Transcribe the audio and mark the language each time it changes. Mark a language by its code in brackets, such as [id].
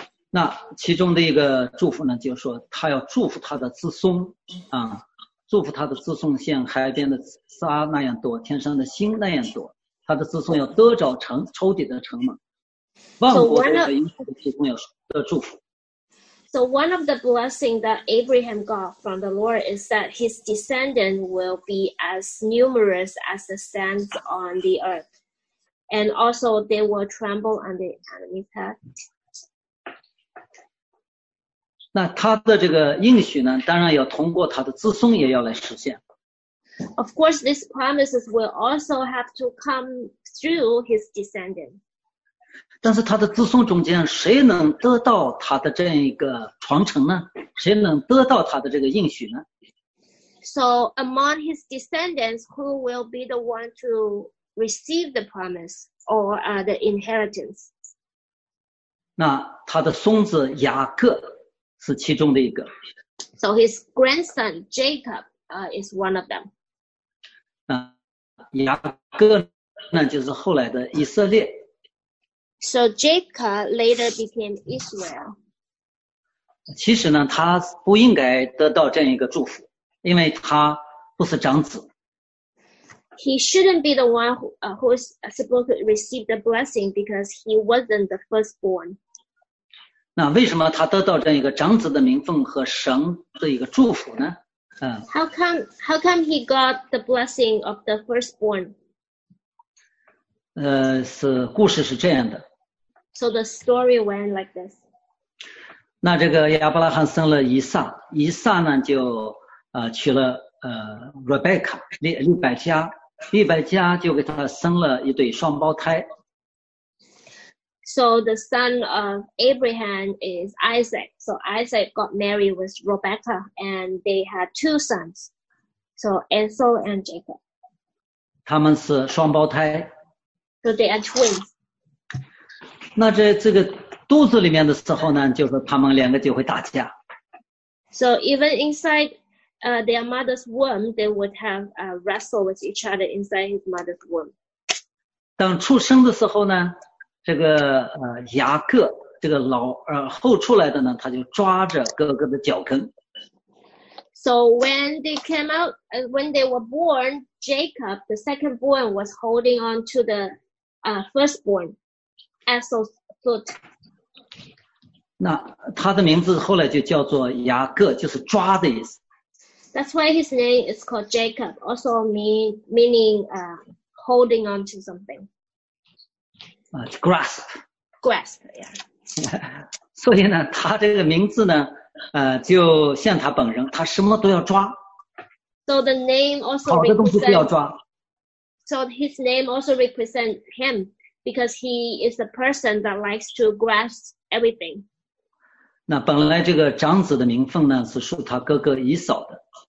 [zh] 那其中的一个祝福呢，就是说他要祝福他的子孙啊，祝福他的子孙像海边的沙那样多，天上的星那样多。他的子孙要得着城，仇敌的城嘛，万国都会因他的子孙要得祝福。 [en] So one of the blessing that Abraham got from the Lord is that his descendant will be as numerous as the sands on the earth, and also they will tremble on the enemy's head. [zh] 那他的这个应许呢，当然要通过他的子孙也要来实现。 [en] Of course, these promises will also have to come through his descendant. [zh] 但是他的子孙中间谁能得到他的这样一个传承呢？谁能得到他的这个应许呢？ [en] So among his descendants, who will be the one to receive the promise or the inheritance? [zh] 那他的孙子雅各是其中的一个。 [en] So his grandson Jacob is one of them. [zh] 雅各呢，就是后来的以色列。 [en] So Jacob later became Israel. [zh] 其实呢，他不应该得到这样一个祝福，因为他不是长子。 [en] He shouldn't be the one who is supposed to receive the blessing because he wasn't the firstborn. [zh] 那为什么他得到这样一个长子的名分和神的一个祝福呢？ [en] How come he got the blessing of the firstborn? [zh] 是故事是这样的。 [en] So the story went like this. [zh] 那这个亚伯拉罕生了以撒，以撒呢就娶了Rebecca 利百加，利百加就给他生了一对双胞胎。 [en] So the son of Abraham is Isaac. So Isaac got married with Rebecca, and they had two sons, so Esau and Jacob. [zh] 他们是双胞胎。 [en] So they are twins. [zh] 那在这个肚子里面的时候呢，就是他们两个就会打架。 [en] So even inside their mother's womb, they would have wrestle with each other inside his mother's womb. [zh] 当出生的时候呢？这个雅各这个老后出来的呢，他就抓着哥哥的脚跟。 [en] So when they came out, when they were born, Jacob, the second born, was holding on to the firstborn, Esau's foot. [zh] 那他的名字后来就叫做雅各，就是抓的意思。 [en] That's why his name is called Jacob, also meaning holding on to something. Grasp, yeah. [zh] 所以呢，他这个名字呢，就像他本人，他什么都要抓。 [en] So the name also [zh] 好的东西都要抓。 [en] So his name also represents him because he is the person that likes to grasp everything. [zh] 那本来这个长子的名分呢，是属他哥哥以扫的。